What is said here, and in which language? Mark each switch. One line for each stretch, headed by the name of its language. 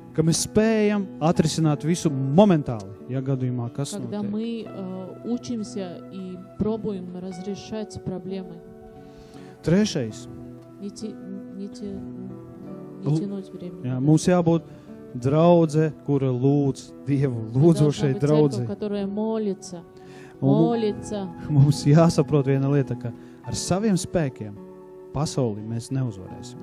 Latvian: Ka mēs spējam atrisināt visu momentāli, ja gadījumā kas notiek.
Russian: Когда мы учимся и пробуем разрешать проблемы.
Latvian: Trešais.
Russian: Не тянуть время.
Latvian: Jā, mums jābūt draudze, kura lūdz Dievu, lūdzošai draudze.
Russian: Которая молится. Молится.
Latvian: Mums jāsaprot viena lieta, ka ar saviem spēkiem pasauli mēs neuzvarēsim.